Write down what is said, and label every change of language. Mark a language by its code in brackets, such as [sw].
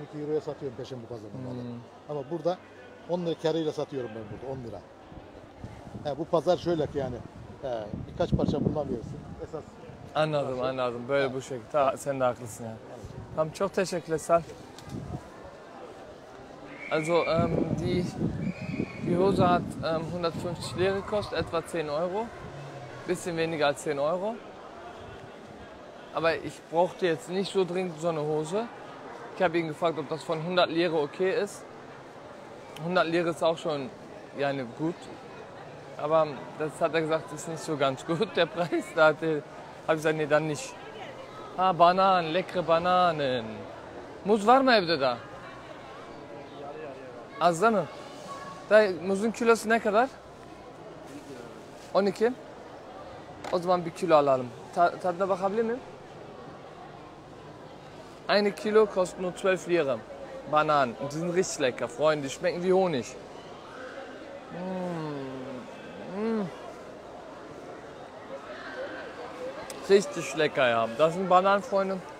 [tr] 12 euroya satıyorum peşin bu pazarın. Hmm. Ama burada 10 lira karıyla satıyorum ben burada, 10 lira. He, bu pazar şöyle ki yani, birkaç parça bulamıyorsun esas. Anladım, parça. Anladım. Böyle ha. Bu şekilde. Ha, sen de haklısın yani. Tamam, çok teşekkürler Sal. [de] Also, die Hose hat 150 lira kostet, etwa 10 Euro. Bisschen weniger als 10 Euro. Aber ich brauchte jetzt nicht so dringend so eine Hose. Ich habe ihn gefragt, ob das von 100 lira okay ist. 100 Lire ist auch schon yani gut, aber das hat er gesagt, ist nicht so ganz gut, der Preis. Da habe ich gesagt, nee, dann nicht. Ah, Bananen, leckere Bananen. [tr] Muz var mı evde da? Az da mı? Da, muzun kilosu ne kadar? 12. O zaman bir kilo alalım. Tadına bakabilir miyim? [de] Eine Kilo kostet nur 12 Lire. Bananen. Und die sind richtig lecker, Freunde. Die schmecken wie Honig. Mmh. Richtig lecker, ja. Das sind Bananen, Freunde.